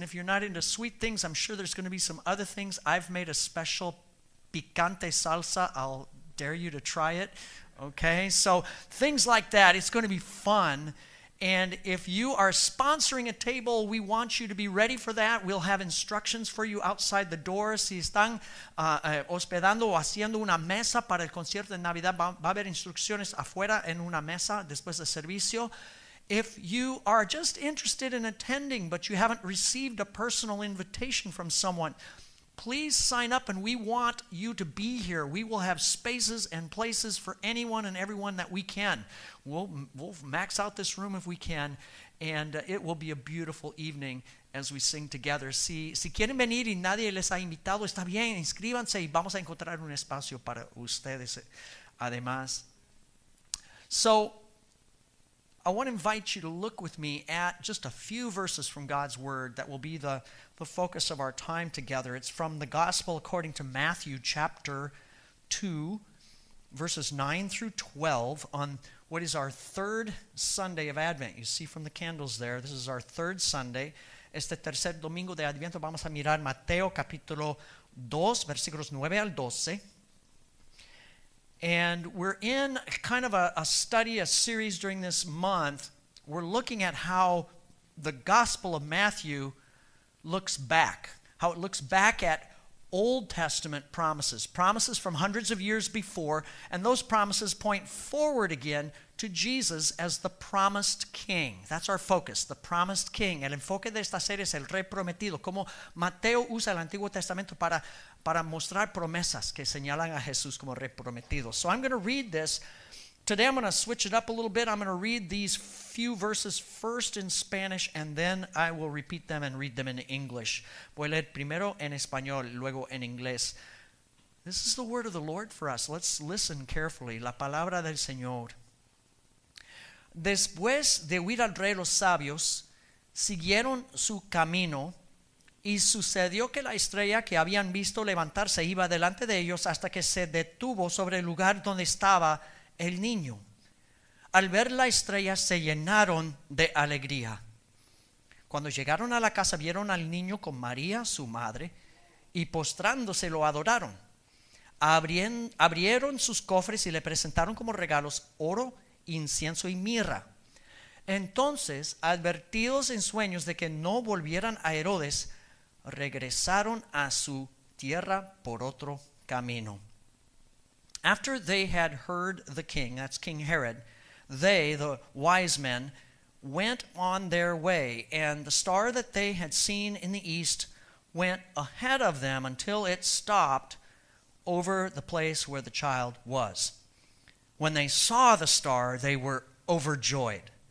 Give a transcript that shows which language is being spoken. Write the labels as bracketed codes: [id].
[en] And if you're not into sweet things, I'm sure there's going to be some other things. I've made a special picante salsa. I'll dare you to try it, okay? So things like that. It's going to be fun. And if you are sponsoring a table, we want you to be ready for that. We'll have instructions for you outside the door. [es] Si están hospedando o haciendo una mesa para el concierto de Navidad, va a haber instrucciones afuera en una mesa después del servicio. [en] If you are just interested in attending, but you haven't received a personal invitation from someone, please sign up, and we want you to be here. We will have spaces and places for anyone and everyone that we can. We'll max out this room if we can, and it will be a beautiful evening as we sing together. [es] Si quieren venir y nadie les ha invitado, está bien, inscríbanse y vamos a encontrar un espacio para ustedes además. [en] So I want to invite you to look with me at just a few verses from God's Word that will be the focus of our time together. It's from the Gospel according to Matthew chapter 2, verses 9 through 12, on what is our third Sunday of Advent. You see from the candles there, this is our third Sunday. [es] Este tercer domingo de Adviento vamos a mirar Mateo capítulo 2, versículos 9 al 12. [en] And we're in kind of a study, a series during this month. We're looking at how the Gospel of Matthew looks back, how it looks back at Old Testament promises, promises from hundreds of years before, and those promises point forward again to Jesus as the promised king. That's our focus, the promised king. [es] El enfoque de esta serie es el rey prometido, como Mateo usa el Antiguo Testamento para mostrar promesas que señalan a Jesús como rey prometido. [en] So I'm going to read this. Today I'm going to switch it up a little bit. I'm going to read these few verses first in Spanish, and then I will repeat them and read them in English. [es] Voy a leer primero en español, luego en inglés. [en] This is the word of the Lord for us. Let's listen carefully. [es] La palabra del Señor. Después de huir al rey, los sabios siguieron su camino, y sucedió que la estrella que habían visto levantarse iba delante de ellos hasta que se detuvo sobre el lugar donde estaba el niño. Al ver la estrella se llenaron de alegría. Cuando llegaron a la casa vieron al niño con María, su madre, y postrándose lo adoraron. Abrieron sus cofres y le presentaron como regalos oro, incienso y mirra. Entonces, advertidos en sueños de que no volvieran a Herodes, regresaron a su tierra por otro camino. [en] After they had heard the king, that's King Herod, they, the wise men, went on their way, and the star that they had seen in the east went ahead of them until it stopped over the place where the child was. When they saw the star, they were overjoyed.